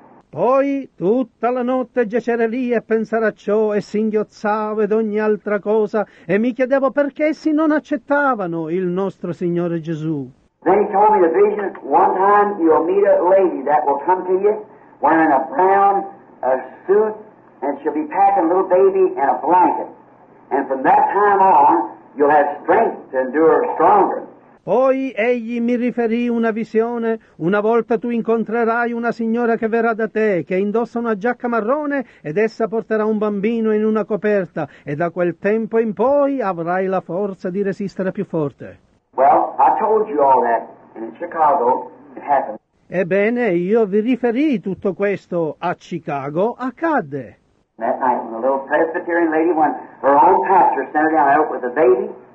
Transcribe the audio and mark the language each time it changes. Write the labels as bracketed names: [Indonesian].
[Italian] Poi tutta la notte giacere lì e pensare a ciò e singhiozzavo ed ogni altra cosa e mi chiedevo perché essi non accettavano il nostro Signore Gesù. [English] Then he told me the vision. One time you'll meet a lady that will come to you wearing a brown suit and she'll be packing a little baby in a blanket. And from that time on you'll have strength to endure stronger. [Italian] Poi egli mi riferì una visione, una volta tu incontrerai una signora che verrà da te, che indossa una giacca marrone ed essa porterà un bambino in una coperta e da quel tempo in poi avrai la forza di resistere più forte. [English] Well, I told you all that, and in Chicago it happened. [Italian] Ebbene, io vi riferì tutto questo a Chicago, accadde. [English] That night when a little Presbyterian lady went, her own pastor sent her out with a baby.